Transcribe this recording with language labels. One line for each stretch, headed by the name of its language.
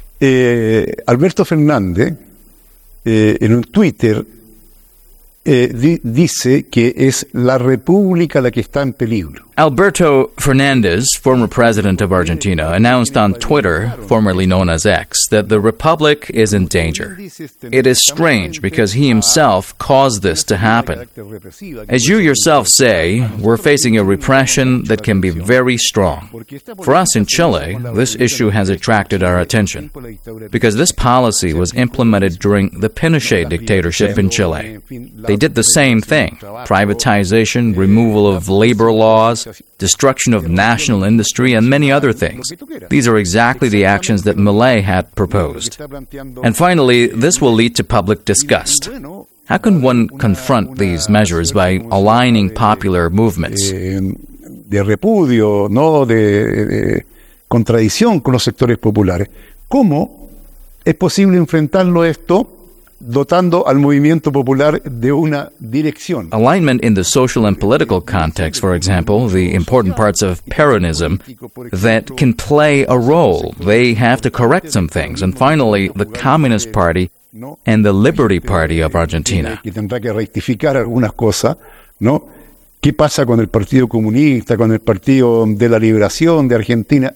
Spanish: Alberto Fernández, en un Twitter, dice que es la República la que está en peligro.
English: Alberto Fernández, former president of Argentina, announced on Twitter, formerly known as X, that the Republic is in danger. It is strange because he himself caused this to happen. As you yourself say, we're facing a repression that can be very strong. For us in Chile, this issue has attracted our attention because this policy was implemented during the Pinochet dictatorship in Chile. They did the same thing, privatization, removal of labor laws, destruction of national industry, and many other things. These are exactly the actions that Milei had proposed. And finally, this will lead to public disgust. How can one confront these measures by aligning popular movements?
Spanish: De repudio, no de contradicción con los sectores populares. ¿Cómo es posible enfrentarlo esto dotando al movimiento popular de una dirección.
English: Alignment in the social and political context, for example, the important parts of Peronism that can play a role. They have to correct some things. And finally, the Communist Party and the Liberty Party of Argentina.
Spanish: Que tendrá que rectificar algunas cosas, ¿no? ¿Qué pasa con el Partido Comunista, con el Partido de la Liberación de Argentina?